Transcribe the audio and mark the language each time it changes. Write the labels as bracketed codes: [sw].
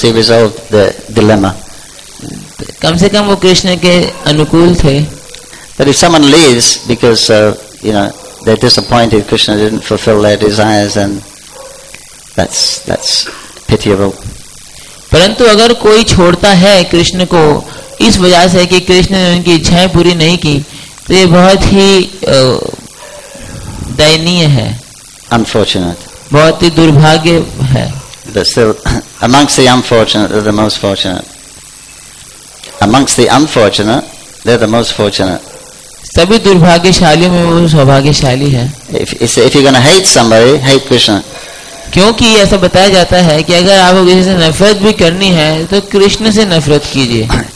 [hi] कम से कम वो कृष्ण के अनुकूल थे. [en] But if someone leaves because you know they're disappointed Krishna didn't fulfill their desires, then that's pitiable. [hi] परंतु अगर कोई छोड़ता है कृष्ण को इस वजह से कि कृष्ण ने उनकी इच्छाएं पूरी नहीं की तो ये बहुत ही दयनीय है. [en] Unfortunate. [hi] बहुत ही दुर्भाग्य है. [en] But still, amongst the unfortunate, they're the most fortunate. Amongst the unfortunate, they're the most fortunate. [hi] सभी दुर्भाग्यशालियों में वो सौभाग्यशाली है. [en] If you're gonna hate somebody, hate Krishna. [hi] क्योंकि ऐसा बताया जाता है कि अगर आपको किसी से नफरत भी करनी है तो कृष्ण से नफरत कीजिए.